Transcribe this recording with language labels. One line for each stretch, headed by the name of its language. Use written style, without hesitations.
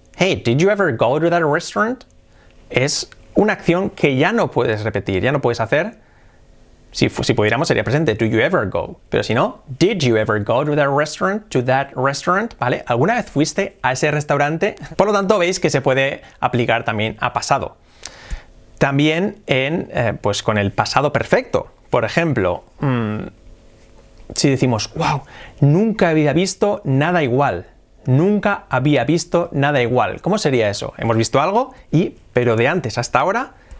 English: Hey, did you ever go to that restaurant?
Spanish: Es una acción que ya no puedes repetir, ya no puedes hacer. Si pudiéramos, sería presente.
English: Do you ever go?
Spanish: Pero si no,
English: did you ever go to that restaurant? To that restaurant?
Spanish: ¿Vale? ¿Alguna vez fuiste a ese restaurante? Por lo tanto, veis que se puede aplicar también a pasado. También en, pues con el pasado perfecto. Por ejemplo, si decimos, wow, nunca había visto nada igual. Nunca había visto nada igual. ¿Cómo sería eso? Hemos visto algo, pero de antes hasta ahora,